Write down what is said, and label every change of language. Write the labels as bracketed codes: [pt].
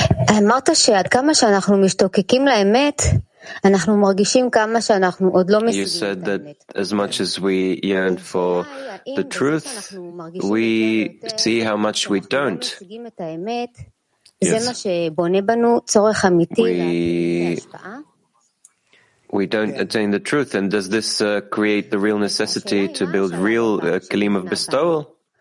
[he] אמרת שעד כמה שאנחנו משתוקקים לאמת, אנחנו מרגישים כמה שאנחנו עוד לא משיגים את האמת. [en] You said that as much as we yearn for the truth, we see how much we don't. [he] זה מה שבונה בנו צורך אמיתי [en] We don't attain the truth, and does this create the real necessity to build real kelim of bestowal?